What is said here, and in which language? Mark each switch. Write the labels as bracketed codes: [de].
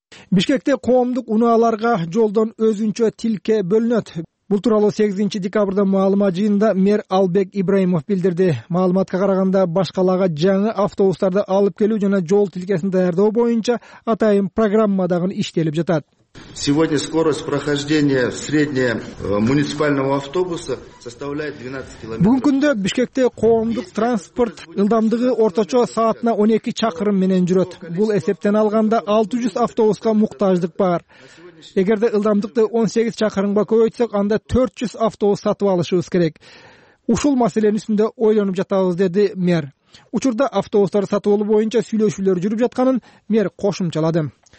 [ky] Бишкекте коомдук унааларга жолдон өзүнчө тилке бөлүнөт. Бул тууралуу 8 декабрда маалымат жыйынында мэр Албек Ибраимов билдирди. Маалыматка караганда баш калага жаңы автобустарды алып келүү жана жол тилкесин даярдоо боюнча атайын программа дагы иштелип жатат. [ru] Сегодня скорость прохождения среднего муниципального автобуса составляет 12 км. [ky] Бүгүн күндө Бишкекте коомдук транспорт ылдамдыгы орточо саатына 12 чакырым менен жүрөт. Бул эсептен алганда 600 автобуска муктаждык бар. Эгерде ылдамдыкты 18 чакырымга көбөйтсөк, анда 400 автобус сатып алышыбыз керек. Ушул маселенин үстүндө ойлонуп жатабыз, деди мэр. Учурда автобустарды сатып алуу боюнча сүйлөшүүлөр жүрүп жатканын мэр кошумчалады.